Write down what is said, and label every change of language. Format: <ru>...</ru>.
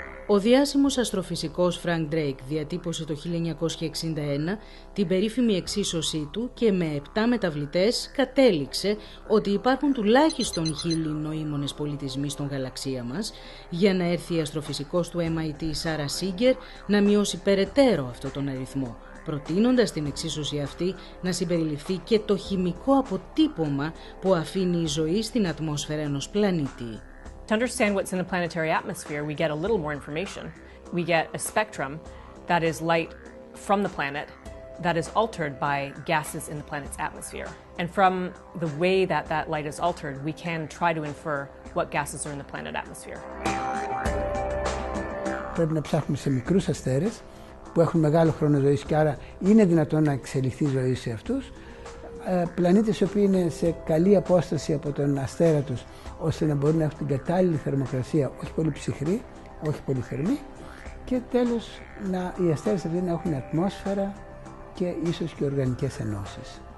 <el>Ο διάσημος αστροφυσικός Frank Drake διατύπωσε το 1961 την περίφημη εξίσωσή του και με 7 μεταβλητές κατέληξε ότι υπάρχουν τουλάχιστον 1000 νοήμονες πολιτισμοί στον γαλαξία μας, για να έρθει η αστροφυσικός του MIT Sarah Singer να μειώσει περαιτέρω αυτόν τον αριθμό, προτείνοντας την εξίσωση αυτή να συμπεριληφθεί και το χημικό αποτύπωμα που αφήνει η ζωή στην ατμόσφαιρα ενός πλανήτη.</el> <en>To understand what's in the planetary atmosphere, we get a little more information. We get a spectrum that is light from the planet that is altered by gases in the planet's atmosphere. And from the way that that light is altered, we can try to infer what gases are in the planet atmosphere.</en> <el>Πρέπει να ψάχνουμε σε μικρούς αστέρες που έχουν μεγάλο χρόνο ζωής και άρα είναι δυνατόν να εξελιχθεί ζωή σε αυτούς. Πλανήτες οι οποίοι είναι σε καλή απόσταση από τον αστέρα τους, ώστε να μπορούν να έχουν την κατάλληλη θερμοκρασία, όχι πολύ ψυχρή, όχι πολύ θερμή, και τέλος να οι αστέρες αυτοί να έχουν ατμόσφαιρα και ίσως και οργανικές ενώσεις.</el>